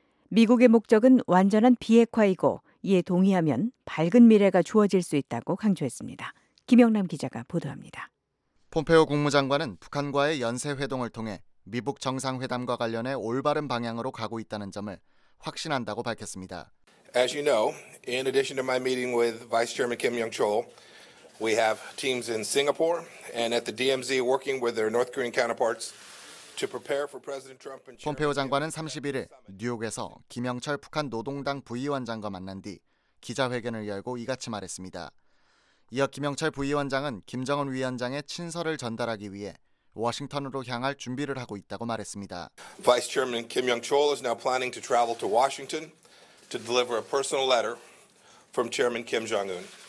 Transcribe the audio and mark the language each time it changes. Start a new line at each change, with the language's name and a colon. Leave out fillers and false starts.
Korean: 미국의 목적은 완전한 비핵화이고 이에 동의하면 밝은 미래가 주어질 수 있다고 강조했습니다. 김영남 기자가 보도합니다. 폼페오 국무장관은 북한과의 연쇄 회동을 통해 미북 정상회담과 관련해 올바른 방향으로 가고 있다는 점을 확신한다고 밝혔습니다.
English: As you know, in addition to my meeting with Vice Chairman Kim Young-chol, we have teams in Singapore and at the DMZ working with their North Korean counterparts to prepare for President Trump and.
Korean: 폼페오 장관은 31일 뉴욕에서 김영철 북한 노동당 부위원장과 만난 뒤 기자회견을 열고 이같이 말했습니다. 이어 김영철 부위원장은 김정은 위원장의 친서를 전달하기 위해 워싱턴으로 향할 준비를 하고 있다고 말했습니다.
English: Vice Chairman Kim Young-chol is now planning to travel to Washington to deliver a personal letter from Chairman Kim Jong-un.